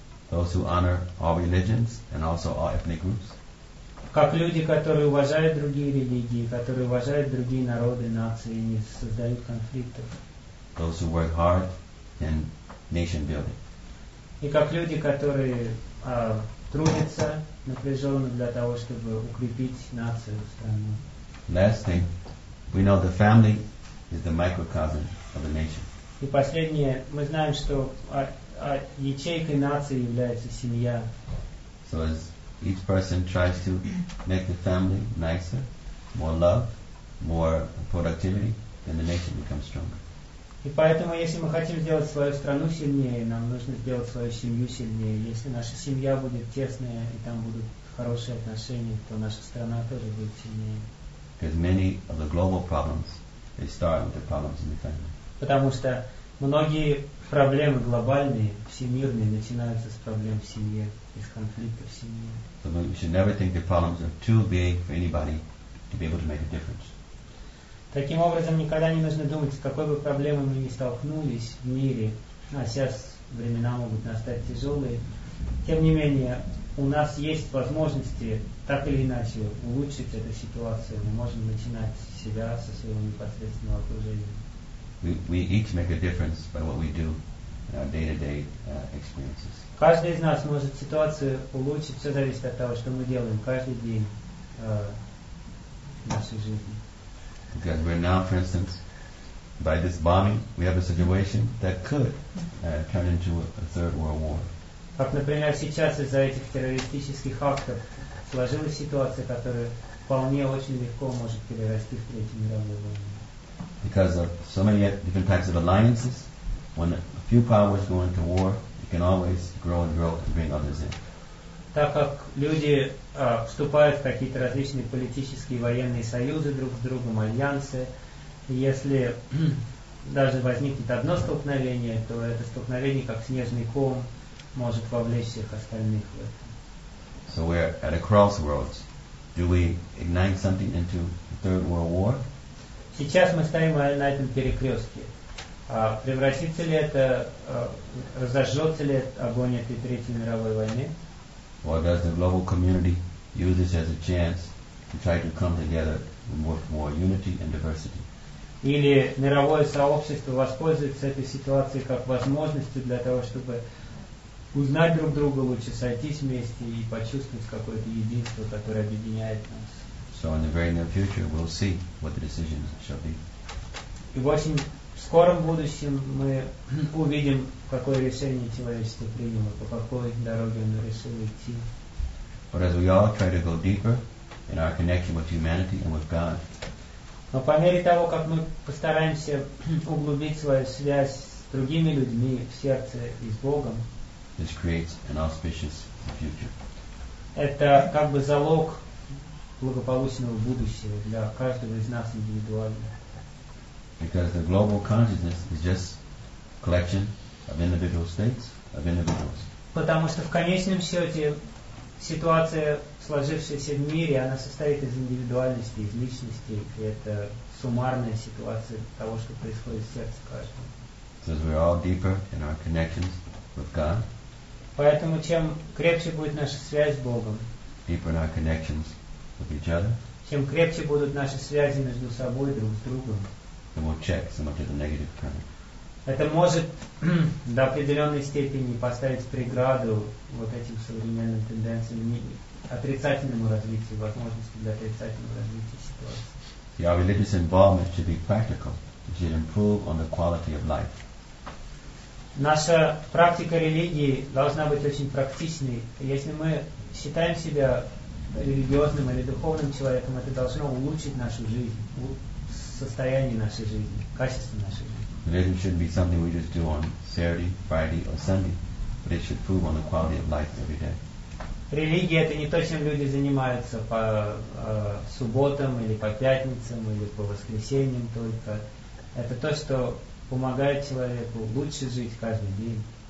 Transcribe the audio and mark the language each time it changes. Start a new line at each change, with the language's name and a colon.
English: Those who honor all religions and also all ethnic groups.
Russian: Как люди, которые уважают другие религии, которые уважают другие народы, нации, и не создают конфликтов.
English: Those who work hard in nation building.
Russian: И как люди, которые трудятся напряженно для того, чтобы укрепить нацию, страну.
English: Last thing, we know the family is the microcosm of the nation.
Russian: И последнее, мы знаем, что ячейкой нации является семья.
English: So as each person tries to make the family nicer, more love, more productivity, then the nation becomes stronger.
Russian: И поэтому, если мы хотим сделать свою страну сильнее, нам нужно сделать свою семью сильнее. Если наша семья будет тесная и там будут хорошие отношения, то наша страна тоже будет сильнее.
English: Because many of the global problems, they start with the problems in the family.
Russian: Потому что многие проблемы глобальные, всемирные, начинаются с проблем в семье, из конфликтов в семье.
English: So we should never think the problems are too big for anybody to be able to make a difference.
Russian: Таким образом, никогда не нужно думать, с какой бы проблемой мы ни столкнулись в мире, а сейчас времена могут настать тяжелые, тем не менее, у нас есть возможности так или иначе улучшить эту ситуацию. Мы можем начинать себя со своего непосредственного окружения.
English: We each make a difference by what we do in our day-to-day experiences.
Russian: Каждый из нас может ситуацию улучшить. Все зависит от того, что мы делаем каждый день в нашей жизни.
English: Because we're now, for instance, by this bombing, we have a situation that could turn into a third world war.
Russian: Как, например, сейчас из-за этих террористических актов сложилась ситуация, которая вполне очень легко может перерасти в третью мировую войну.
English: Because of so many different types of alliances, when a few powers go into war, it can always grow and grow and bring others in.
Russian: Так как люди вступают в какие-то различные политические военные союзы друг с другом, альянсы, если даже возникнет одно столкновение, то это столкновение, как снежный ком, может вовлечь всех остальных в это.
English: So we're at a crossroads. Do we ignite something into the third world war?
Russian: Сейчас мы стоим на этом перекрестке. Превратится ли это, разожжется ли огонь этой третьей мировой войны?
English: Or does the global community use this as a chance to try to come together with more unity and diversity?
Russian: Или мировое сообщество воспользуется этой ситуацией как возможностью для того, чтобы узнать друг друга лучше, сойтись вместе и почувствовать какое-то единство, которое объединяет нас.
English: So in the very near future, we'll see what the decisions shall be.
Russian: И в очень скором будущем мы увидим, какое решение человечество приняло, по какой дороге оно решило идти.
English: But as we all try to go deeper in our connection with humanity and with God,
Russian: но по мере того, как мы постараемся углубить свою связь с другими людьми в сердце и с Богом,
English: this creates an auspicious future.
Russian: Это как бы залог благополучного будущего для каждого из нас индивидуально.
English: Because the global consciousness is just collection of individual states, of individuals.
Russian: Потому что в конечном счете ситуация, сложившаяся в мире, она состоит из индивидуальности, из личности, и это суммарная ситуация того, что происходит в сердце каждого.
English: Since we're all deeper in our connections with God,
Russian: поэтому чем крепче будет наша связь с Богом,
English: deeper in our connections with each other,
Russian: чем крепче будут наши связи между собой друг с другом,
English: then we'll check some of the negative current.
Russian: Это может до определенной степени поставить преграду вот этим современным тенденциям, отрицательному развитию, возможности для отрицательного развития ситуации.
English: See, our religious involvement should be practical. It should improve on the quality of life.
Russian: Наша практика религии должна быть очень практичной. Если мы считаем себя религиозным или духовным человеком, это должно улучшить нашу жизнь, состояние нашей жизни, качество нашей жизни.
English: Religion shouldn't be something we just do on Saturday, Friday, or Sunday, but it should improve on the quality of life every day.
Russian: Религия – это не то, чем люди занимаются по субботам или по пятницам или по воскресеньям только. Это то, что помогает человеку лучше жить каждый день.